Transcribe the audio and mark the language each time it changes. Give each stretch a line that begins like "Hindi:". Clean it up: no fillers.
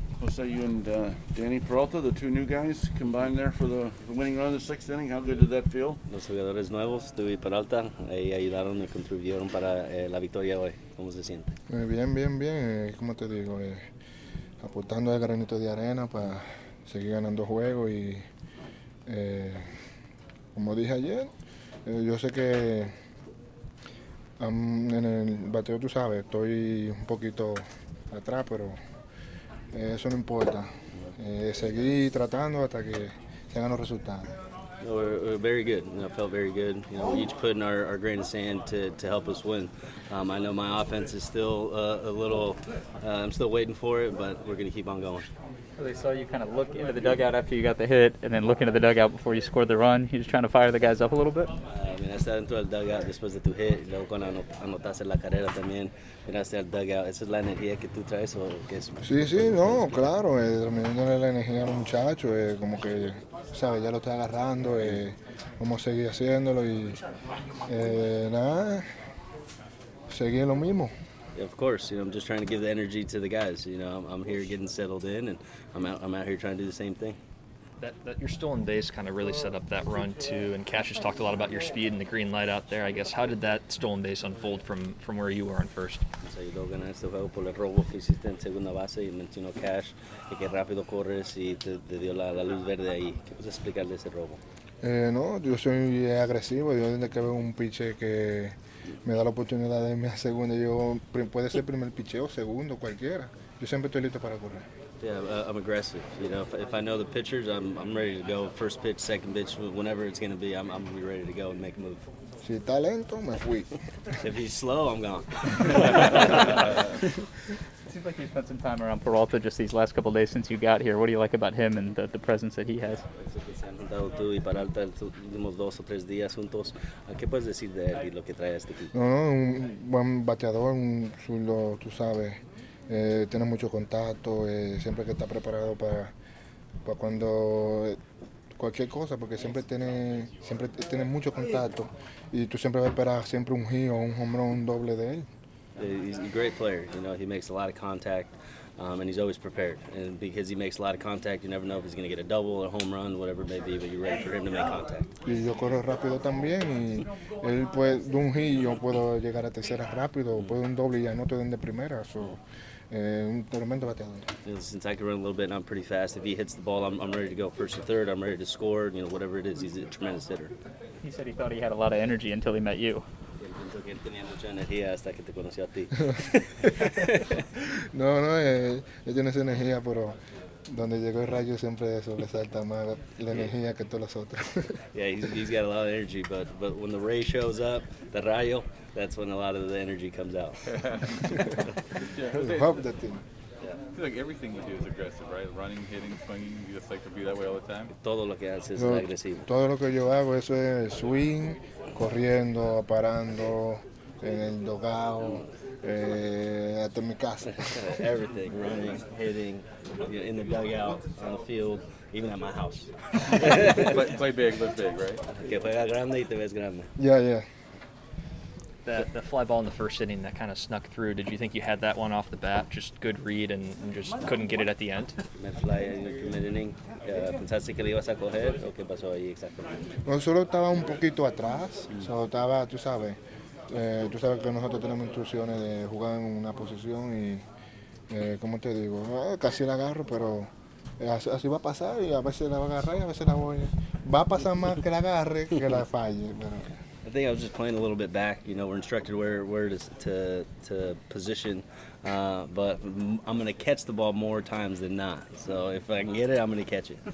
English: say you and Danny Peralta, the two new guys, combined there for the winning run in the sixth inning. How good did that feel?
Spanish: Los jugadores nuevos, tú y Peralta, ayudaron y contribuyeron para la victoria hoy. ¿Cómo se siente? Bien. ¿Cómo te digo? Aportando el granito de arena para seguir ganando juegos. Y como dije ayer, yo sé que en el bateo, tú sabes, estoy un poquito atrás, pero eso no importa. Seguí tratando hasta que tengan los resultados.
English: No, we're very good. You know, felt very good. You know, we each put in our grain of sand to help us win. I know my offense is still I'm still waiting for it, but we're going to keep on going. Well, they saw you kind of look into the dugout after you got the hit and then look into the dugout before you scored the run. You just trying to fire the guys up a little bit?
Spanish: Miraste dentro del dugout después de tu hit. Luego cuando anotaste la carrera también, miraste al dugout. ¿Esa es la energía que tú traes o qué es? Sí, no, claro. Terminando la energía a los muchachos, como que, ¿sabes? Ya lo estoy agarrando. Vamos a seguir haciéndolo y nada, seguir lo mismo.
English: Of course, you know, I'm just trying to give the energy to the guys. You know, I'm here getting settled in, and I'm out here trying to do the same thing. That your stolen base kind of really set up that run too. And Cash has talked a lot about your speed and the green light out there. I guess how did that stolen base unfold from where you were on first?
Spanish: Nos ayudó a ganar este juego por el robo que hiciste en segunda base y mencionó Cash y que rápido corres y te dio la luz verde ahí. ¿Qué puedes explicarle ese robo? No, yo soy agresivo. Yo tengo que ver un piche que me da la oportunidad de irme a segunda. Yo puede ser primer picheo, segundo, cualquiera. Yo siempre estoy listo para correr.
English: Yeah, I'm aggressive. You know, if I know the pitchers, I'm ready to go. First pitch, second pitch, whenever it's going to be, I'm going to be ready to go and make a move.
Spanish: Si está lento, me fui.
English: If he's slow, I'm gone. It seems like you spent some time around Peralta just these last couple of days since you got here. What do you like about him and the presence that he has?
Spanish: Tú y Peralta últimos dos o tres días juntos. ¿Qué puedes decir de él y lo que trae a este equipo? No, un buen bateador, un zurdo, tú sabes. Tiene mucho contacto, siempre que está preparado para cuando cualquier cosa, porque siempre tiene mucho contacto y tú siempre vas a esperar siempre un hit o un home run, un doble de él.
English: He's a great player, you know, he makes a lot of contact, and he's always prepared, and because he makes a lot of contact, you never know if he's going to get a double or a home run, whatever it may be, but you're ready for him to make contact.
Spanish: Y yo corro rápido también, y él puede, de un hit yo puedo llegar a tercera rápido, puedo un doble y anoto de primera, so.
English: Since I can run a little bit and I'm pretty fast, if he hits the ball, I'm ready to go first or third. I'm ready to score, you know, whatever it is. He's a tremendous hitter. He said he thought he had a lot of energy until he met you.
Spanish: No, él tiene esa energía, pero donde llegó el rayo siempre sobresalta más la energía que todos los otros.
English: Yeah, he's got a lot of energy, but when the ray shows up, the rayo, that's when a lot of the energy comes out. Yeah. Help the team. I feel like everything you do is aggressive, right? Running, hitting, swinging, you just like to be that way all the time?
Spanish: Todo lo que haces es agresivo. Todo lo que yo hago eso es swing, corriendo, parando, en el dugout.
English: At my casa. Everything, running, hitting, in the dugout, on the field, even at my house. play big, live big, right?
Spanish: Que juega grande y te ves grande.
English: Yeah. The fly ball in the first inning that kind of snuck through, did you think you had that one off the bat? Just good read and just couldn't get it at the end?
Spanish: Me fly en el primer inning. ¿Pensaste que le ibas a coger o qué pasó ahí exactamente? Solo estaba un poquito atrás. Solo estaba, tú sabes. Tú sabes que nosotros tenemos instrucciones de jugar en una posición y, ¿cómo te digo? Casi la agarro, pero así va a pasar y a veces la voy a agarrar y a veces la voy a... Va a pasar más que la agarre que la falle, pero...
English: I think I was just playing a little bit back. You know, we're instructed where to position, but I'm going to catch the ball more times than not. So if I can get it, I'm going to catch it.